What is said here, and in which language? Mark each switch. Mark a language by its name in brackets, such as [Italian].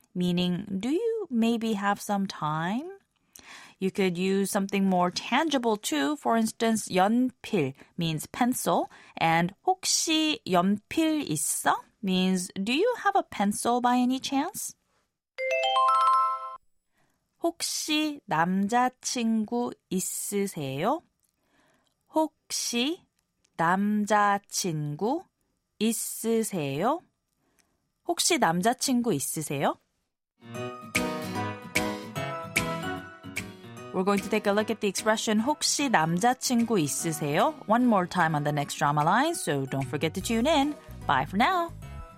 [English] Meaning, do you maybe have some time? You could use something more tangible too. For instance, 연필 means pencil, and [Korean] 혹시 연필 있어? [English] Means, do you have a pencil by any chance? [Korean] 혹시 남자친구 있으세요? 혹시 남자친구 있으세요? 혹시 남자친구 있으세요? [English] We're going to take a look at the expression [Korean] 혹시 남자친구 있으세요? [English] One more time on the next drama line, so don't forget to tune in. Bye for now!